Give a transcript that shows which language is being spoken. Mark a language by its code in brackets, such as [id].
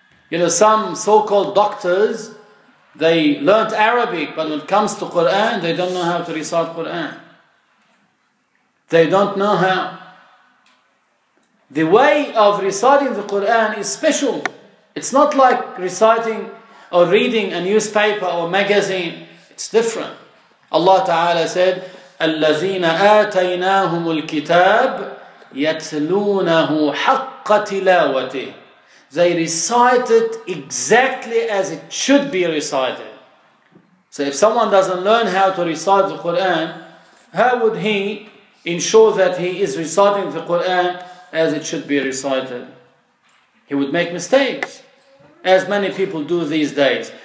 [en] You know, some so-called doctors, they learned Arabic, but when it comes to Quran, they don't know how to recite Quran. They don't know how. The way of reciting the Quran is special. It's not like reciting or reading a newspaper or magazine. It's different. Allah Ta'ala said, [ar] الَّذِينَ آتَيْنَاهُمُ الْكِتَابِ يَتْلُونَهُ حَقَّ تِلَاوَتِهِ. [en] They recite it exactly as it should be recited. So if someone doesn't learn how to recite the Quran, how would he ensure that he is reciting the Quran as it should be recited? He would make mistakes, as many people do these days.